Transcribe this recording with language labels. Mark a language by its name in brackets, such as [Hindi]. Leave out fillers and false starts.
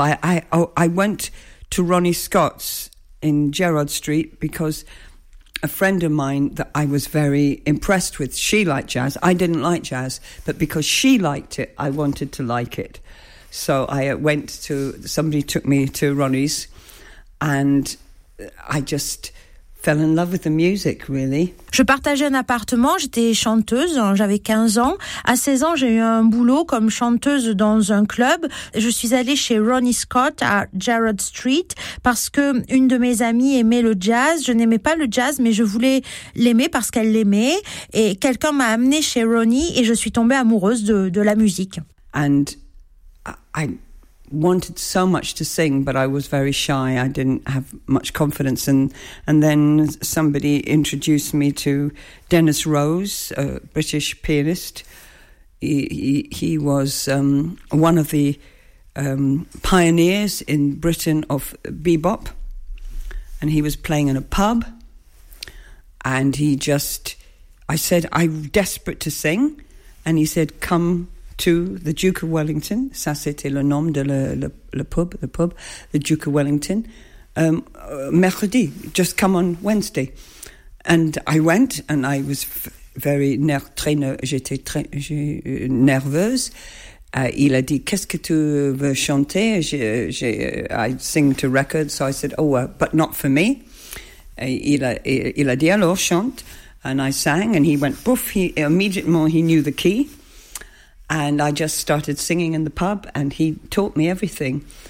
[English] I went to Ronnie Scott's in Gerrard Street because a friend of mine that I was very impressed with, she liked jazz. I didn't like jazz, but because she liked it, I wanted to like it. So I went to, somebody took me to Ronnie's and I just fell in love with the music, really. [French] Je partageais un appartement, j'étais chanteuse, j'avais 15 ans. À 16 ans, j'ai eu un boulot comme chanteuse dans un club. Je suis allée chez Ronnie Scott à Gerrard Street parce que une de mes amies aimait le jazz. Je n'aimais pas le jazz, mais je voulais l'aimer parce qu'elle l'aimait. Et quelqu'un m'a amenée chez Ronnie et je suis tombée amoureuse de la musique. [English] And I wanted so much to sing, but I was very shy. I didn't have much confidence. And then somebody introduced me to Dennis Rose, a British pianist. He was one of the pioneers in Britain of bebop. And he was playing in a pub. And he just, I said, I'm desperate to sing. And he said, come to the Duke of Wellington, [French] ça c'était le nom de le pub, [English] the Duke of Wellington, [French] mercredi, [English] just come on Wednesday. And I went, and I was [French] nerveuse. Il a dit, qu'est-ce que tu veux chanter? [English] I sing to records, so I said, oh, but not for me. [French] Il a dit, alors chante, [English] and I sang, and he went, boof, he immediately knew the key. And I just started singing in the pub, and he taught me everything.